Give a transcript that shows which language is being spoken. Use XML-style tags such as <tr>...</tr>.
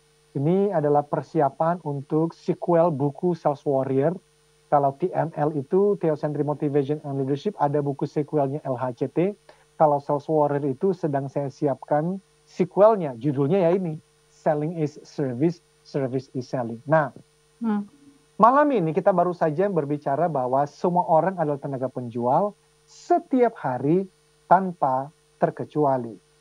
<id>Ini adalah persiapan untuk sequel buku Sales Warrior. Kalau TML itu Theocentric Motivation and Leadership, ada buku sequelnya LHCT. Kalau Sales Warrior itu sedang saya siapkan sequelnya, judulnya ya ini,</id> <en>selling is service, service is selling.</en> <id>Nah, malam ini kita baru saja berbicara bahwa semua orang adalah tenaga penjual setiap hari tanpa terkecuali.</id>